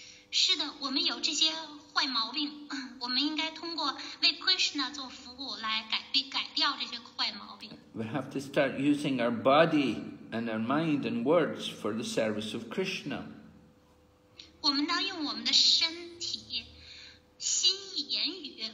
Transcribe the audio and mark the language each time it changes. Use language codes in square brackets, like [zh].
[zh] 是的，我们有这些坏毛病，我们应该通过为 Krishna 做服务来改掉这些坏毛病。 [en] We have to start using our body and our mind and words for the service of Krishna. [zh] 我们当用我们的身体、心意、言语。